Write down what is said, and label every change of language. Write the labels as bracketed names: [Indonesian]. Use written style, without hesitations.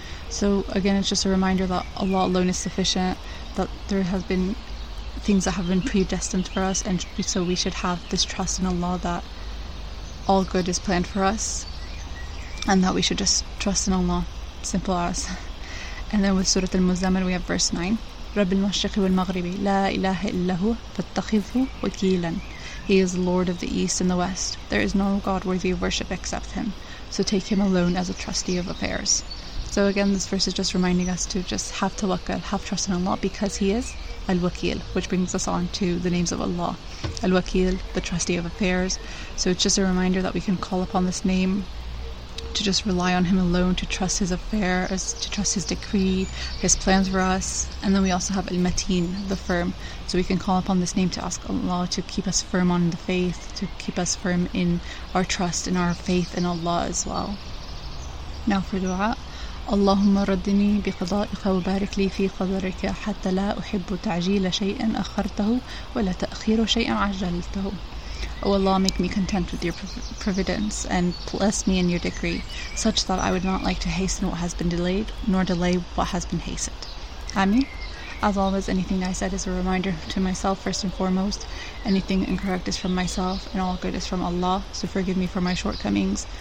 [English] So again, it's just a reminder that Allah alone is sufficient, that there has been things that have been predestined for us, and so we should have this trust in Allah that all good is planned for us, and that we should just trust in Allah. Simple as. And then with Surah Al-Muzammil, we have verse 9. [Arabic] رب المشرق والمغرب لا إله إلا هو فاتخذه وكيلا. [English] He is the Lord of the East and the West. There is no God worthy of worship except Him. So take Him alone as a trustee of affairs. So again, this verse is just reminding us to just have tawakkal, have trust in Allah, because He is Al-Wakil, which brings us on to the names of Allah. Al-Wakil, the trustee of affairs. So it's just a reminder that we can call upon this name to just rely on Him alone, to trust His affairs, to trust His decree, His plans for us. And then we also have Al-Mateen, the firm. So we can call upon this name to ask Allah to keep us firm on the faith, to keep us firm in our trust and our faith in Allah as well. Now for dua. [Arabic] اللهم ردني بقضائك وبارك لي في قدرك حتى لا أحب تعجيل شيء أخرته ولا تأخير شيء عجلته. [English] O Allah, make me content with your providence and bless me in your decree, such that I would not like to hasten what has been delayed, nor delay what has been hastened. Amin. As always, anything I said is a reminder to myself first and foremost. Anything incorrect is from myself, and all good is from Allah. So forgive me for my shortcomings.